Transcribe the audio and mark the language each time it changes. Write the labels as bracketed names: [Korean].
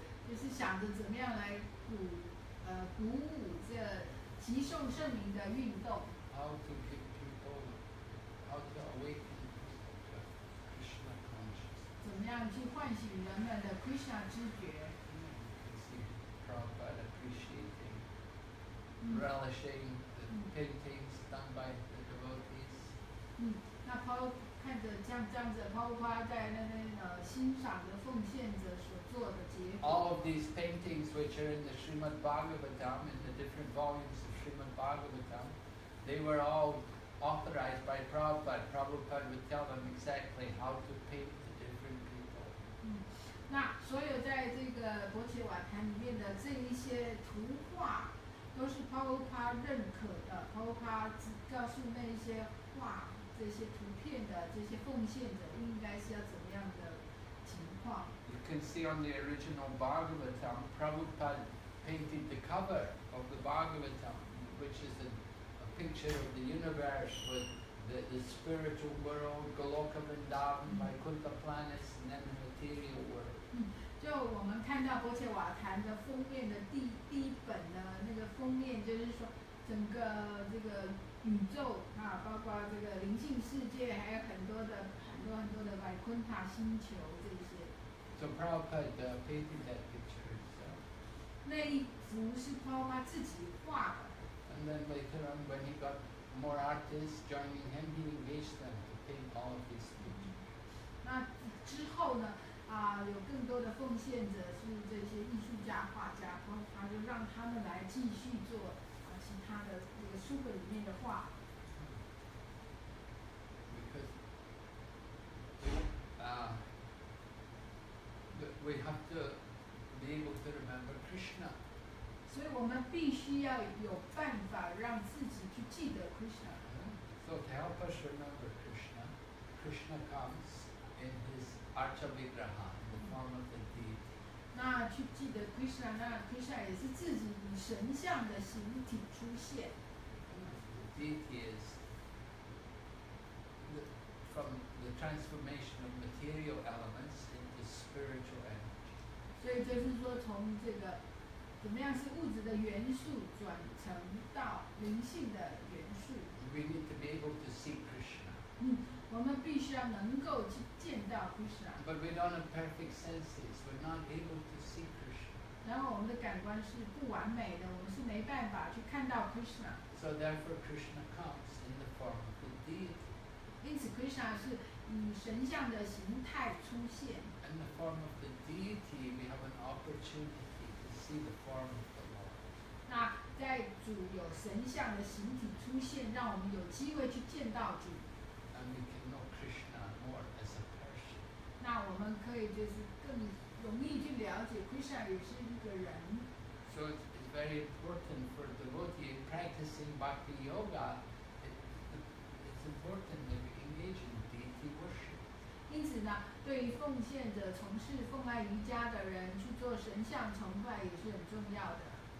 [Chinese] 就是想着怎么样来鼓舞这 极受圣名的运动。 [English] How to give people, how to awaken people to Krishna consciousness. [Chinese] 怎么样去唤醒人们的 Krishna 知觉。 [English] You see Prabhupada appreciating, relishing the paintings done by the devotees. [Chinese] 那看着这样子，包括在那边欣赏着奉献者所做的结果。 [English] All of these paintings which are in the Srimad Bhagavatam in the different volumes Srimad Bhagavatam, they were all authorized by Prabhupada. Prabhupada would tell them exactly how to paint the different people. [Chinese] 那所有在这个《博伽瓦坛》里面的这一些图画，都是 Prabhupada 认可的 Prabhupada 告诉那些画这些图片的这些奉献者应该是要怎么样的情况。 [English] You can see on the original Bhagavatam, Prabhupada painted the cover of the Bhagavatam, which is a picture of the universe with the spiritual world, Goloka Vrindavan, Vaikuntha planets, and then the material world. [Chinese] 就我们看到《波切瓦坛》的封面的第一本的那个封面，就是说整个这个宇宙啊，包括这个灵性世界，还有很多的Vaikuntha星球这些。 [English] So Prabhupada painted that picture himself. [Chinese] 那一幅是 Prabhupada 自己画的。 [English] And then later on, when he got more artists joining him, he engaged them to paint all of his pictures. [Chinese] 那之后呢？啊，有更多的奉献者是这些艺术家、画家，然后他就让他们来继续做啊其他的这个书本里面的画。 [English] Because, we have to be able to remember Krishna. [Chinese] 所以我们必须要有办法让自己去记得 Krishna. [English] So to help us remember Krishna, Krishna comes in his Archavigraha, the form of the deity. [Chinese] 那去记得 Krishna, 那 Krishna 也是自己以神像的形体出现。 [English] The deity is from the transformation of material elements into spiritual energy. [Chinese] 所以就是说从这个怎么样是物质的元素转成到灵性的元素。 [English] We need to be able to see Krishna. [Chinese] 我们必须要能够去见到 Krishna。 [English] But we don't have perfect senses. We're not able to see Krishna. [Chinese] 然后我们的感官是不完美的，我们是没办法去看到 Krishna。 [English] So therefore, Krishna comes in the form of the deity. [Chinese] 因此 ，Krishna 是以神像的形态出现。 [English] In the form of the deity, we have an opportunity to see the form of the Lord. [Chinese] 那在主有神像的形体出现，让我们有机会去见到主。 [English] And we can know Krishna more as a person. [Chinese] 那我们可以就是更容易去了解 Krishna 也是一个人。 [English] So it's very important for the devotee practicing Bhakti Yoga. It's important that we engage in deity worship. [Chinese] 因此呢，对于奉献者、从事奉爱瑜伽的人去做神像崇拜也是很重要的。